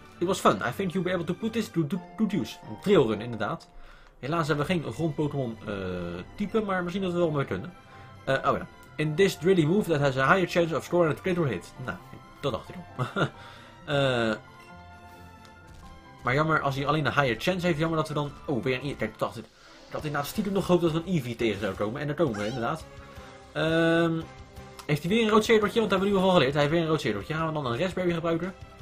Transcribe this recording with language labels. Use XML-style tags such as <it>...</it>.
<en>It was fun. I think you'll be able to put this to good use.</en> <nl>Een trailrun, inderdaad. Helaas hebben we geen grond-Pokémon type, maar misschien dat we wel meer kunnen.</nl> <en>In this drilly move that has a higher chance of scoring a critical hit.</en> <nl>Nou, dat dacht ik al. maar jammer, als hij alleen een higher chance heeft, jammer dat we dan... Oh, weer een Eevee. Kijk, dacht ik. Ik had inderdaad stiekem nog gehoopt dat we een Eevee tegen zou komen. En daar komen we, inderdaad. Heeft hij weer een rood cirkeltje? Want dat hebben we nu al geleerd. Hij heeft weer een rood cirkeltje. Gaan we dan een Raspberry gebruiken?</nl>